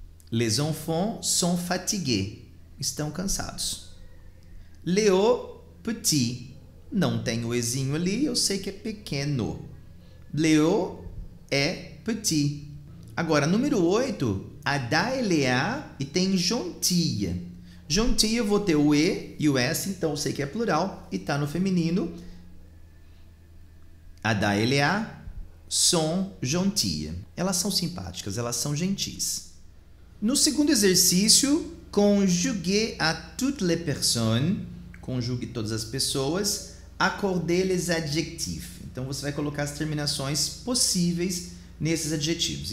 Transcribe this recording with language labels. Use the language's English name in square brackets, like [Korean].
[French] Les enfants sont fatigués. [Portuguese] Estão cansados. Léo, petit. Não tem o ezinho ali, eu sei que é pequeno. Léo é petit. Agora, número 8. Ada e Léa e tem gentille. Gentille, eu vou ter o E e o S, então eu sei que é plural e tá no feminino. [French] Ada e Léa sont gentilles. [Portuguese] Elas são simpáticas, elas são gentis. No segundo exercício, [French] conjugue à toutes les personnes, [Portuguese] conjugue todas as pessoas, [French] accordez les adjectifs. [Portuguese] Então, você vai colocar as terminações possíveis nesses adjetivos.